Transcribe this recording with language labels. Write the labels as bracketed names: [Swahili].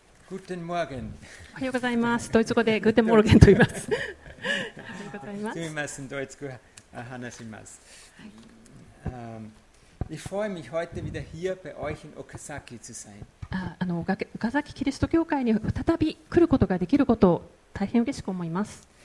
[German] グッテンモーゲン。 [Japanese] おはようございます。ドイツ語でグッテンモーゲンと言います。すみません、ドイツ語を話します。 [German] はい、Ich freue mich heute wieder hier bei euch in Okazaki zu sein. [Japanese] Okazaki Christ教会に再び来ることができることを大変嬉しく思います。